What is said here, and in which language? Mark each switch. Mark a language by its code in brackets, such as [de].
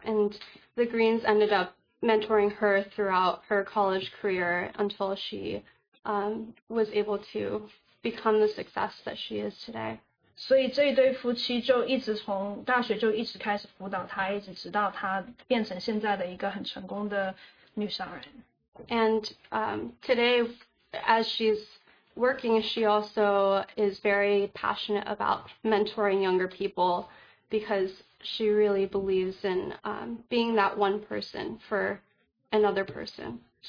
[en] and the Greens ended up mentoring her throughout her college career until she was able to become the success that she is today. [zh] 所以这一对夫妻就一直从大学就一直开始辅导她，一直直到她变成现在的一个很成功的女商人。 [en] And today, as she's working, she also is very passionate about mentoring younger people because she really believes in being that one person for another person.